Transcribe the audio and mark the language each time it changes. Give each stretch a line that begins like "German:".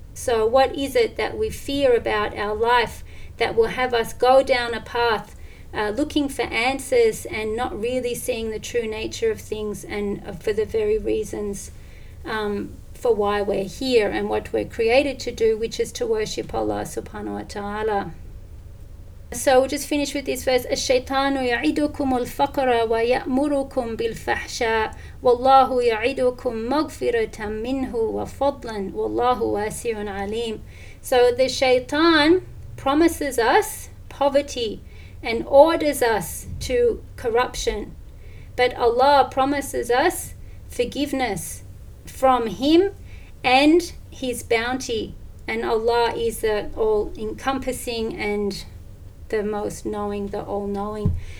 English: So what is it that we fear about our life that will have us go down a path looking for answers and not really seeing the true nature of things and for the very reasons for why we're here and what we're created to do, which is to worship Allah subhanahu wa ta'ala. So we'll just finish with this verse.
Arabic: الشيطان يعدكم الفقر ويأمركم بالفحشاء والله يعدكم مغفرة منه وفضلا والله واسع عليم.
English: So the shaitan promises us poverty and orders us to corruption, but Allah promises us forgiveness from him and his bounty, and Allah is the all-encompassing and the most knowing, the all-knowing.